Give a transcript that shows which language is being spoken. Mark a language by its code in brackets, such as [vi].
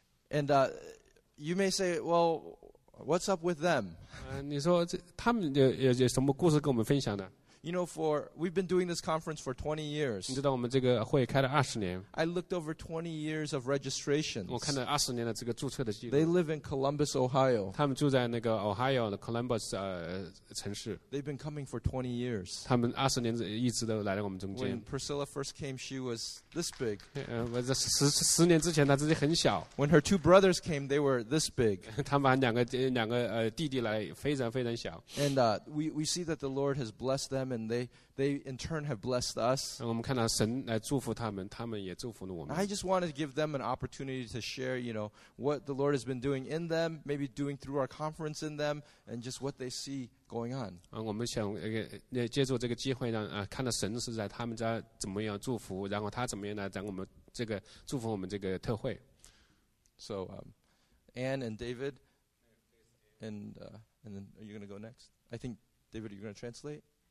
[en] And you may say, well, what's up with them? [zh] 你说他们有什么故事跟我们分享的？ [en] You know, we've been doing this conference for 20 years. [zh] 你知道我们这个会开了20年。 [en] I looked over 20 years of registrations. [zh] 我看了20年的这个注册的记录。 [en] They live in Columbus, Ohio. [zh] 他们住在那个 Ohio 的 Columbus 城市。 [en] They've been coming for 20 years. [zh] 他们20年一直都来到我们中间。 [en] When Priscilla first came, she was this big. [zh] 十年之前她自己很小。 [en] When her two brothers came, they were this big. [zh] 他们两个弟弟来非常非常小。 [en] And we see that the Lord has blessed them. And they in turn have blessed us. [zh] 我们看到神来祝福他们，他们也祝福了我们。 [en] I just wanted to give them an opportunity to share, you know, what the Lord has been doing in them, maybe doing through our conference in them, and just what they see going on. [zh] 我们想借助这个机会让看到神是在他们家怎么样祝福，然后他怎么样来让我们这个祝福我们这个特会。 [en] So, Anne and David, and then are you going to go next? I think David, you're going to translate.